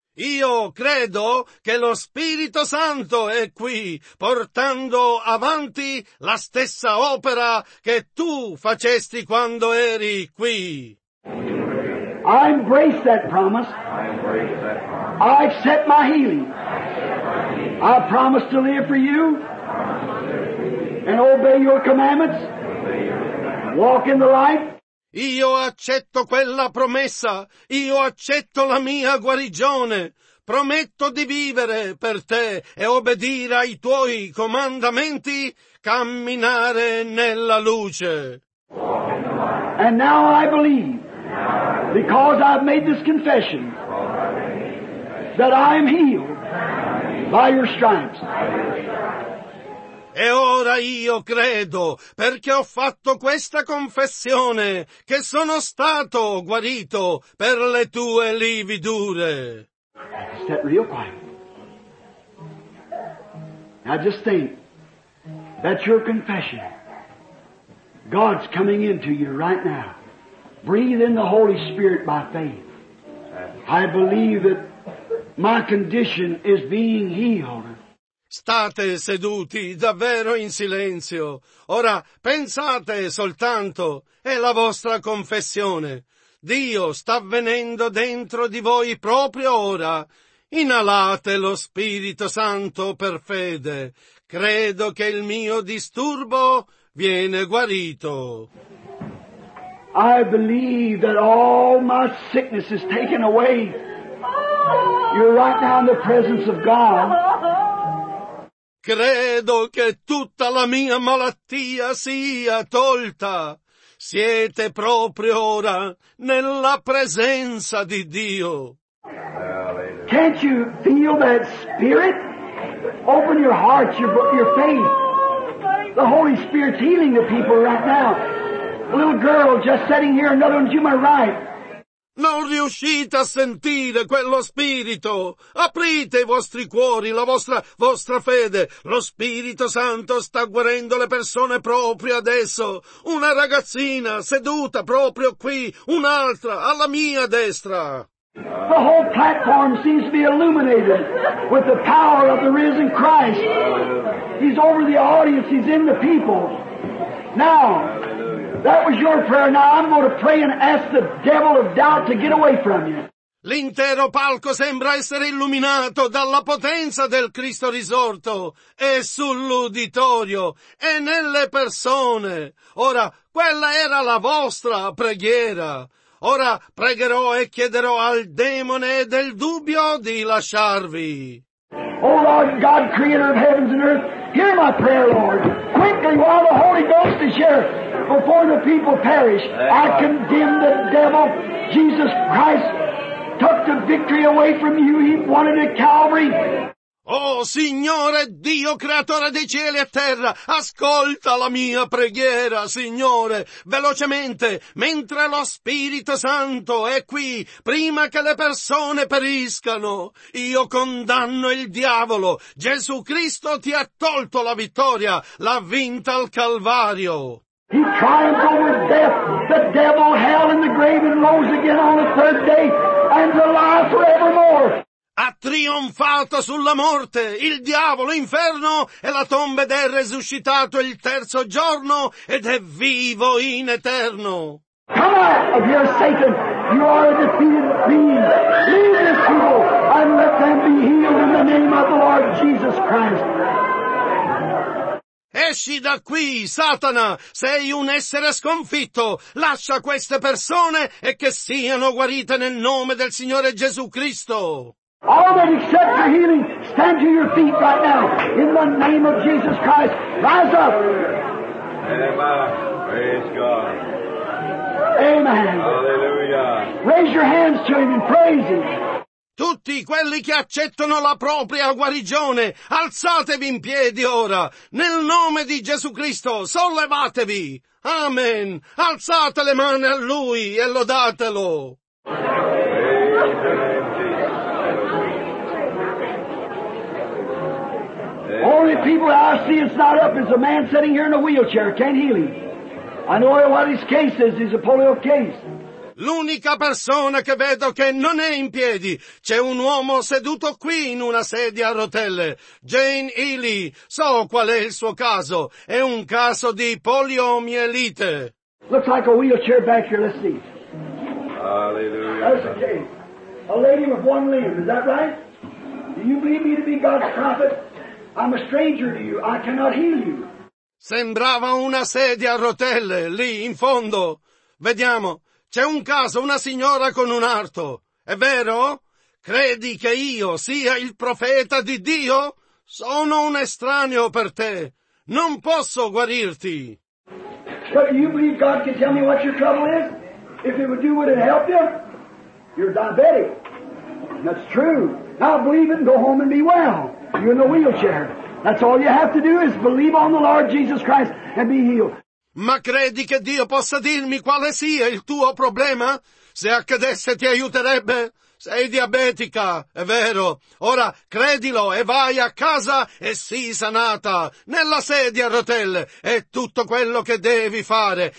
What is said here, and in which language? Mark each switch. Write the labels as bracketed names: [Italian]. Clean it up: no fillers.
[Italian] Io credo che lo Spirito Santo è qui, portando avanti la stessa opera che tu facesti quando eri qui. [English] I embrace that promise. I accept my healing. I promise to live for you and obey your commandments. Walk in the light. [Italian] Io accetto quella promessa, io accetto la mia guarigione, prometto di vivere per te e obbedire ai tuoi comandamenti, camminare nella luce. [English] And now I believe, because I've made this confession, that I am healed, by your stripes. [Italian] E ora io credo, perché ho fatto questa confessione, che sono stato guarito per le tue lividure. [English] Step real quiet. Now just think, that's your confession. God's coming into you right now. Breathe in the Holy Spirit by faith. I believe that my condition is being healed. [Italian] State seduti davvero in silenzio. Ora pensate soltanto, è la vostra confessione. Dio sta venendo dentro di voi proprio ora. Inalate lo Spirito Santo per fede. Credo che il mio disturbo viene guarito. [English] I believe that all my sickness is taken away. You're right now in the presence of God. [Italian] Credo che tutta la mia malattia sia tolta. Siete proprio ora nella presenza di Dio. [English] Can't you feel that spirit? Open your heart, your faith. The Holy Spirit's healing the people right now. A little girl just sitting here, another one to my right. [Italian] Non riuscite a sentire quello spirito. Aprite i vostri cuori, la vostra fede. Lo Spirito Santo sta guarendo le persone proprio adesso. Una ragazzina seduta proprio qui, un'altra alla mia destra. [English] The whole platform seems to be illuminated with the power of the risen Christ. He's over the audience, he's in the people. Now, that was your prayer. Now I'm going to pray and ask the devil of doubt to get away from you. [Italian] L'intero palco sembra essere illuminato dalla potenza del Cristo risorto. È sull'uditorio, è nelle persone. Ora, quella era la vostra preghiera. Ora pregherò e chiederò al demone del dubbio di lasciarvi. [English] Oh Lord, God, creator of heavens and earth, hear my prayer, Lord. Quickly, while the Holy Ghost is here, before the people perish, I condemn the devil. Jesus Christ took the victory away from you. He won it at Calvary. [Italian] Oh, Signore Dio, creatore dei cieli e terra, ascolta la mia preghiera, Signore, velocemente, mentre lo Spirito Santo è qui, prima che le persone periscano. Io condanno il diavolo. Gesù Cristo ti ha tolto la vittoria, l'ha vinta al Calvario. [English] He triumphed over death, the devil, hell and the grave, and rose again on the third day, and alive forevermore. [Italian] Ha trionfato sulla morte, il diavolo, inferno e la tomba ed è resuscitato il terzo giorno ed è vivo in eterno. [English] Come out of here, Satan. You are a defeated being. Leave this people and let them be healed in the name of the Lord Jesus Christ. [Italian] Esci da qui, Satana. Sei un essere sconfitto. Lascia queste persone e che siano guarite nel nome del Signore Gesù Cristo. [English] All that accept your healing, stand to your feet right now. In the name of Jesus Christ, rise up. Amen. Praise God. Amen. Hallelujah. Raise your hands to him and praise him. [Italian] Tutti quelli che accettano la propria guarigione, alzatevi in piedi ora. Nel nome di Gesù Cristo, sollevatevi. Amen. Alzate le mani a lui e lodatelo. [English] Only people that I see it's not up is a man sitting here in a wheelchair. Can't heal him. I know what his case is. He's a polio case. [Italian] L'unica persona che vedo che non è in piedi, c'è un uomo seduto qui in una sedia a rotelle. Jane Healy, so qual è il suo caso. È un caso di poliomielite. [English] Looks like a wheelchair back here. Let's see. Hallelujah. That's the case. A lady with one limb. Is that right? Do you believe me to be God's prophet? I'm a stranger to you. I cannot heal you. [Italian] Sembrava una sedia a rotelle, lì in fondo. Vediamo. C'è un caso, una signora con un arto. È vero? Credi che io sia il profeta di Dio? Sono un estraneo per te. Non posso guarirti. [English] But do you believe God can tell me what your trouble is? If it would do, would it help you? You're diabetic. That's true. Now believe it and go home and be well. You're in the wheelchair. That's all you have to do is believe on the Lord Jesus Christ and be healed. [Italian] Ma credi che Dio possa dirmi quale sia il tuo problema? Se accadesse ti aiuterebbe? Sei diabetica, è vero. Ora credilo e vai a casa e sii sanata. Nella sedia a rotelle è tutto quello che devi fare.